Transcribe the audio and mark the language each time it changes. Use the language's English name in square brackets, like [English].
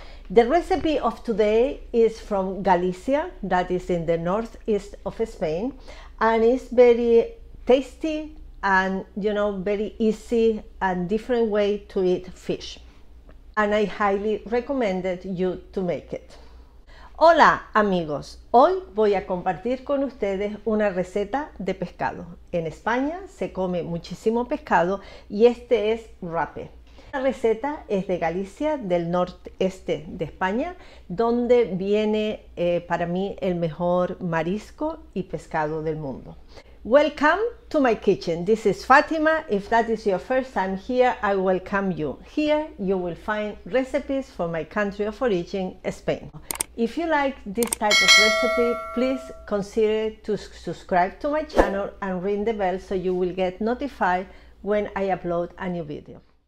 [English] The recipe of today is from Galicia, that is in the northeast of Spain, and it's very tasty and, you know, very easy and different way to eat fish. And I highly recommend you to make it. [Spanish] Hola amigos, hoy voy a compartir con ustedes una receta de pescado. En España se come muchísimo pescado y este es rape. La receta es de Galicia, del noreste de España, donde viene para mí el mejor marisco y pescado del mundo. [English] Welcome to my kitchen. This is Fatima. If that is your first time here, I welcome you. Here you will find recipes for my country of origin, Spain. If you like this type of recipe, please consider to subscribe to my channel and ring the bell so you will get notified when I upload a new video.